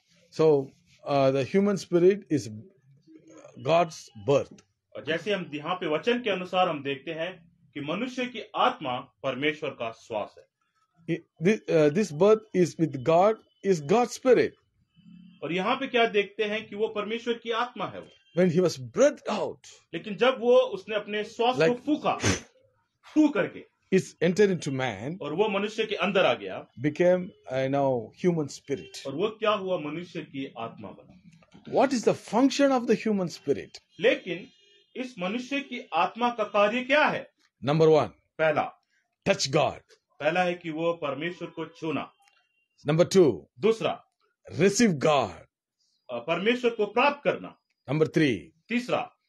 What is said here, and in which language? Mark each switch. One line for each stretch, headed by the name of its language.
English: So, the human spirit is God's birth.
Hindi: और जैसे हम यहाँ पे वचन के अनुसार हम देखते हैं कि मनुष्य की आत्मा परमेश्वर का श्वास है.
English: This birth is with God, is God's spirit.
Hindi: और यहाँ पे क्या देखते हैं कि वो परमेश्वर की आत्मा है.
English: When he was breathed out,
Hindi: लेकिन जब वो उसने अपने श्वास को फूका, फूक करके,
English: is entered into man,
Hindi: और वो मनुष्य के अंदर आ गया,
English: became I know human spirit,
Hindi: और वो क्या हुआ? मनुष्य की आत्मा बना.
English: What is the function of the human spirit?
Hindi: लेकिन इस मनुष्य की आत्मा का कार्य क्या है?
English: Number one,
Hindi: पहला,
English: touch God.
Hindi: पहला है कि वो परमेश्वर को छूना.
English: Number two,
Hindi: दूसरा,
English: receive God.
Hindi: परमेश्वर को प्राप्त करना.
English: Number three.
Hindi: तीसरा,